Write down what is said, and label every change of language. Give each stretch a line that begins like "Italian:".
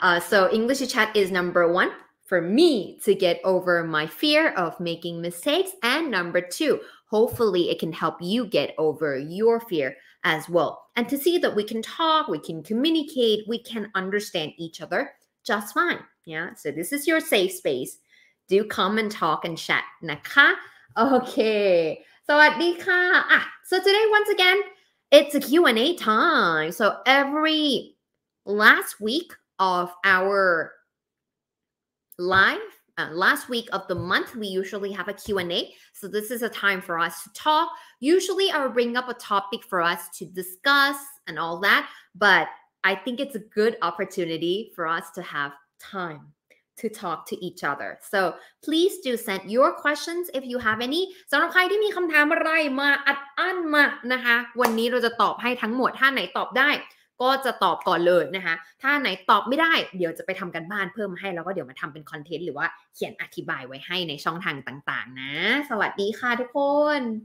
English: So English Chitchat is number one. For me to get over my fear of making mistakes. And number two, hopefully it can help you get over your fear as well. And to see that we can talk, we can communicate, we can understand each other just fine. Yeah, so this is your safe space. Do come and talk and chat, นะคะ?
Thai: Okay, สวัสดีค่ะ.
English: So today, once again, it's a Q&A time. So every last week of our... last week of the month, we usually have a Q&A. So this is a time for us to talk. Usually I would bring up a topic for us to discuss and all that, but I think it's a good opportunity for us to have time to talk to each other. So please do send your questions if you have any.
Thai: สำหรับใครที่มีคำถามอะไรมาอัดอั้นมานะคะวันนี้เราจะตอบให้ทั้งหมดถ้าไหนตอบได้ก็จะตอบก่อนเลยนะคะถ้าไหนตอบไม่ได้เดี๋ยวจะไปทำกันบ้านเพิ่มให้แล้วก็เดี๋ยวมาทำเป็นคอนเทนต์หรือว่าเขียนอธิบายไว้ให้ในช่องทางต่างๆนะสวัสดีค่ะทุกคน